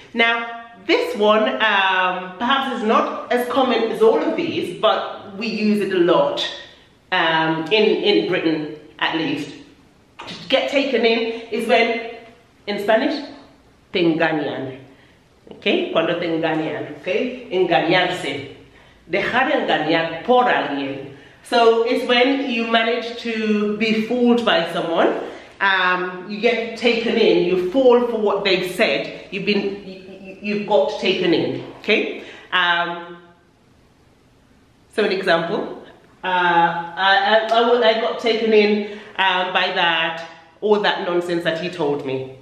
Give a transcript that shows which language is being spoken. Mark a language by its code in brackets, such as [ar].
[en] Now, this one perhaps is not as common as all of these, but we use it a lot in Britain, at least. To get taken in is when, in Spanish, [es] te engañan. Okay, cuando te engañan, okay? Engañarse. Dejar engañar por alguien. [en] So it's when you manage to be fooled by someone, you get taken in, you fall for what they've said, you've got taken in, okay? So an example, I got taken in by that, all that nonsense that he told me.